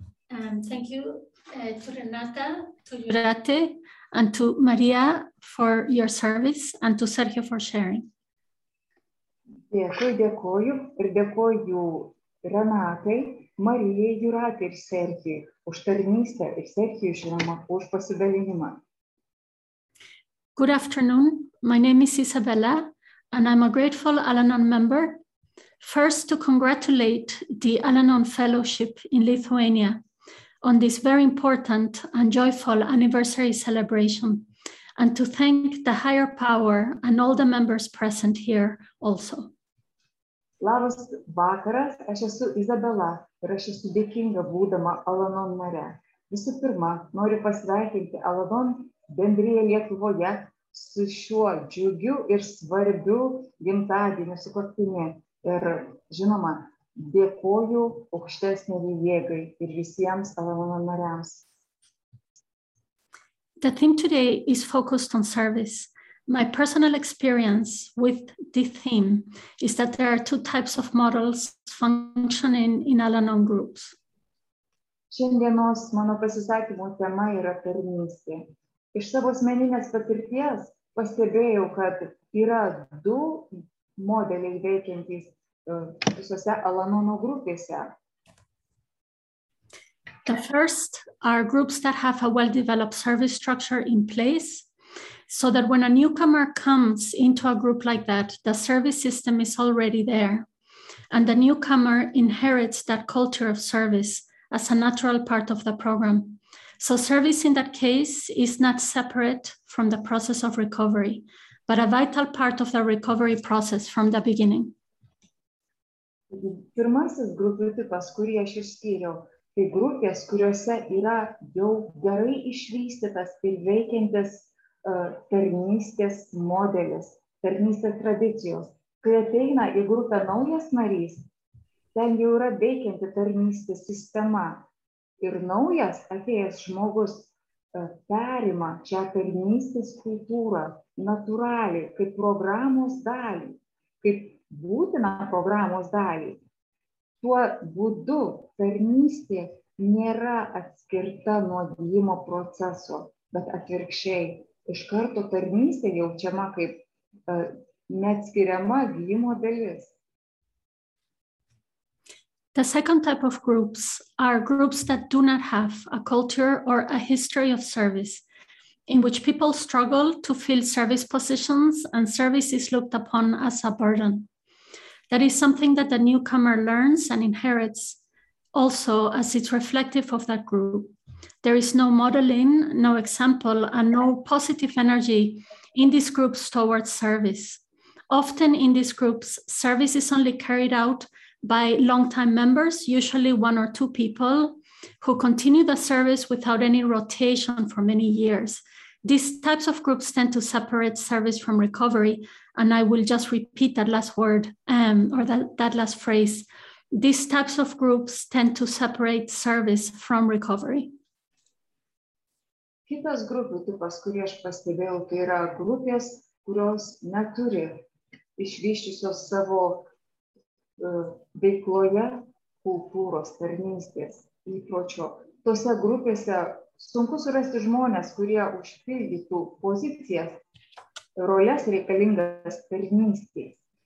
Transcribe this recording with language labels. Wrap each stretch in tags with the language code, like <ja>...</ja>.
<en>Thank you to Renata, to Jurate, and to Maria for your service, and to Sergio for sharing.</en> <lt>Dėkui, dėkoju. Ir dėkoju Renatai, Marijai, Jurate ir Sergijai už tarnystę ir Sergijai, žinoma, už pasidalinimą.</lt> <en>Good afternoon. My name is Isabella, and I'm a grateful Al-Anon member. First, to congratulate the Al-Anon Fellowship in Lithuania on this very important and joyful anniversary celebration, and to thank the higher power and all the members present here also.</en> <lt>Labas vakaras, aš esu Izabela ir aš esu dėkinga būdama Al-Anon nare. Visų pirma, noriu pasveikinti Al-Anon bendriją Lietuvoje su šiuo džiugiu ir svarbiu gimtadieniu su kartinė. Ir žinoma, dėkoju aukštesniai jėgai ir visiems Al-Anon nariams.</lt> <en>The theme today is focused on service. My personal experience with the theme is that there are two types of models functioning in Al-Anon groups.</en> <lt>Šiandienos mano pasisakymo tema yra tarnystė. Iš savo asmeninės patirties pastebėjau, kad yra du modeliai veikiantys visose Alanono grupėse.</lt> <en>The first are groups that have a well-developed service structure in place, so that when a newcomer comes into a group like that, the service system is already there, and the newcomer inherits that culture of service as a natural part of the program. So service in that case is not separate from the process of recovery, but a vital part of the recovery process from the beginning.</en> <lt>Pirmasis grupių tipas, kurį aš išskyriau, tai grupės, kuriuose yra jau gerai išvystytas ir veikiantis tarnystės modelis, tarnystės tradicijos. Kai ateina į grupę naujas narys, ten jau yra veikianti tarnystės sistema. Ir naujas atėjęs žmogus perima čia tarnystės kultūrą natūraliai, kaip programos dalį, kaip būtina programos dalį. Tuo būdu tarnystė nėra atskirta nuo gyjimo proceso, bet atvirkščiai. Iš karto tarnystė jaučiama kaip neatskiriama gyjimo dalis.</lt> <en>The second type of groups are groups that do not have a culture or a history of service, in which people struggle to fill service positions and service is looked upon as a burden. That is something that the newcomer learns and inherits also as it's reflective of that group. There is no modeling, no example, and no positive energy in these groups towards service. Often in these groups, service is only carried out by long-time members, usually one or two people, who continue the service without any rotation for many years. These types of groups tend to separate service from recovery, and I will just repeat that last word, that last phrase. These types of groups tend to separate service from recovery.</en> <lt>Kitas grupių tipas, kurį aš pastebėjau, tai yra grupės, kurios neturi išvyščiusios savo veikloje kultūros tarnystės įpročio. Tose grupėse sunku surasti žmonės, kurie užpildytų pozicijas, roles reikalingas tarnystės.</lt>